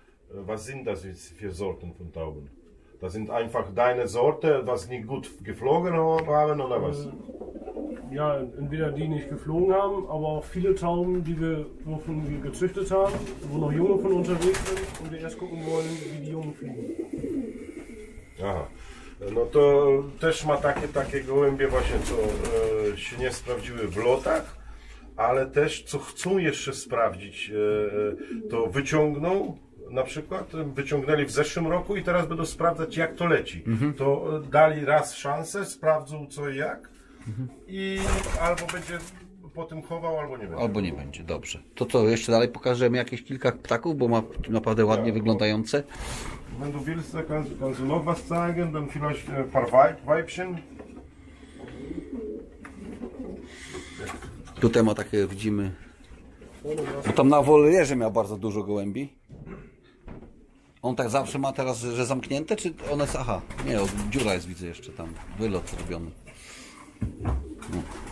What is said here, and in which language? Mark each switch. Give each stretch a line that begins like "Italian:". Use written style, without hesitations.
German: Was sind das für Sorten von Tauben? Das sind einfach deine Sorte, was nicht gut geflogen haben oder was? Ja, entweder die nicht geflogen haben, aber auch viele Tauben, die wir wovon gezüchtet haben, wo noch junge von unterwegs sind und wir erst gucken wollen, wie die Jungen fliegen. Aha.
Polish: No to też ma takie gołębie właśnie, co się nie sprawdziły w lotach, ale też co chcą jeszcze sprawdzić, to wyciągną na przykład, wyciągnęli w zeszłym roku i teraz będą sprawdzać, jak to leci. To dali raz szansę, sprawdzą co i jak i albo będzie po tym chował, albo nie będzie. Albo nie będzie, dobrze. To co, jeszcze dalej pokażemy jakieś kilka ptaków, bo ma naprawdę ładnie wyglądające.
German: Wenn du willst, kannst du noch was zeigen, dann vielleicht ein paar Weibchen.
Polish: Tutaj ma takie, widzimy, bo tam na wolierze miał bardzo dużo gołębi. On tak zawsze ma teraz, że zamknięte, czy one są, aha, nie, dziura jest, widzę jeszcze tam, wylot zrobiony. No.